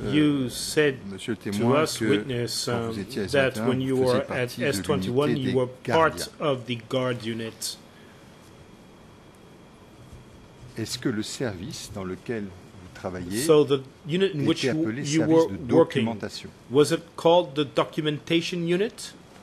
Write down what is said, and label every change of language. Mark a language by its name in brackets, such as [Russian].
[English] you said to us, witness, that when you were at S21, you were part of the guard unit. [French] Est-ce que le service dans lequel vous travaillez [English] so the unit in which you were working, was it called the documentation unit?